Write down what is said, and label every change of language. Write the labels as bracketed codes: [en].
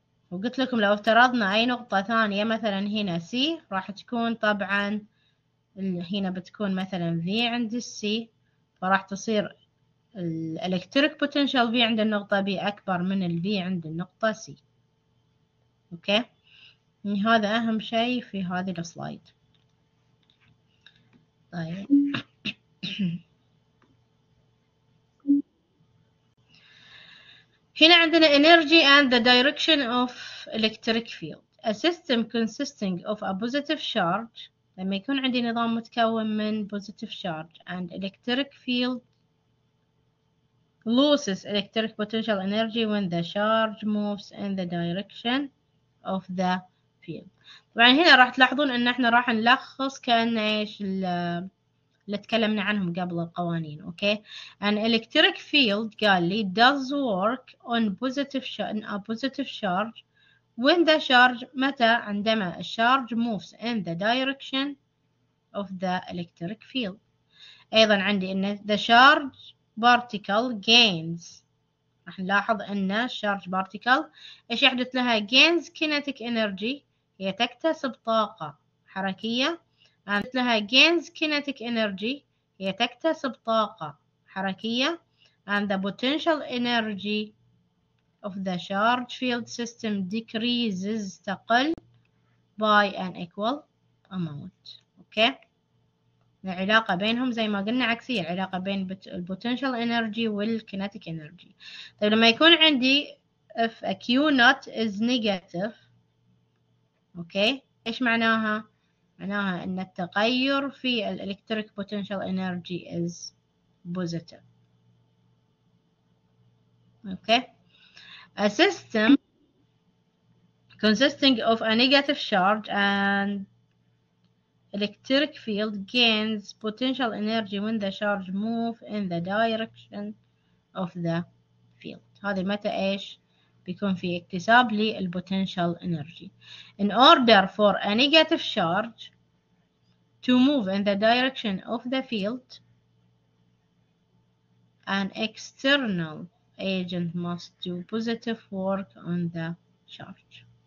[ar] وقلت لكم لو افترضنا أي نقطة ثانية مثلا هنا C، راح تكون طبعا هنا بتكون مثلا V عند ال C، فراح تصير ال electric potential V عند النقطة B أكبر من ال V عند النقطة C. اوكي، يعني هذا اهم شيء في هذه السلايد. طيب هنا عندنا [en] energy and the direction of electric field. A system consisting of a positive charge، [ar] لما يكون عندي نظام متكون من [en] positive charge and electric field loses electric potential energy when the charge moves in the direction of the field. [ar] طبعا هنا راح تلاحظون ان احنا راح نلخص كأن ايش اللي تكلمنا عنهم قبل القوانين. [en] okay, an electric field [ar] قال لي [en] does work on a positive charge when the charge، [ar] متى؟ عندما الشارج [en] moves in the direction of the electric field. [ar] ايضا عندي ان [en] the charge particle gains، [ar] راح نلاحظ ان الشارج particle ايش يحدث لها؟ [en] gains kinetic energy، [ar] هي تكتسب طاقة حركية. And لها [en] gains kinetic energy، [ar] هي تكتسب طاقة حركية. [en] And the potential energy of the charge field system decreases، تقل by an equal amount. [ar] Okay، العلاقة بينهم زي ما قلنا عكسية، علاقة بين potential energy والkinetic energy. طيب لما يكون عندي [en] if a Q not is negative، [ar] اوكي ايش معناها؟ معناها ان التغير في [en] الالكتريك potential energy is positive. Okay, a system consisting of a negative charge and electric field gains potential energy when the charge move in the direction of the field. [ar] هذه متى ايش؟ بيكون في اكتساب للبوتنشال انرجي. [en] In order for a negative charge to move in the direction of the field, an external agent must do positive work on the charge.